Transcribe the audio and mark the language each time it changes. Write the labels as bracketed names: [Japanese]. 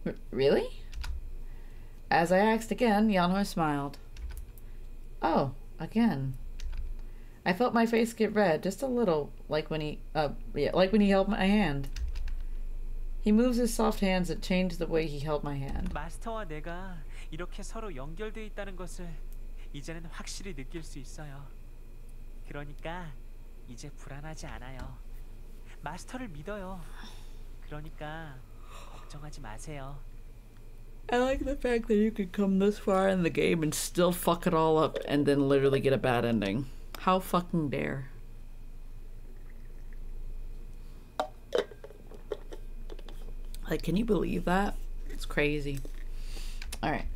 [English] Really? As I asked again, Yeonho smiled. Oh, again. I felt my face get red just a little, like when he held my hand. He moves his soft hands and changed the way he held my hand. [Korean] 마스터와 내가 이렇게 서로 연결되어 있다는 것을 이제는 확실히 느낄 수 있어요. 그러니까 이제 불안하지 않아요. 마스터를 믿어요. 그러니까 걱정하지 마세요. [English] I like the fact that you could come this far in the game and still fuck it all up and then literally get a bad ending. How fucking dare. Like, can you believe that? It's crazy. Alright.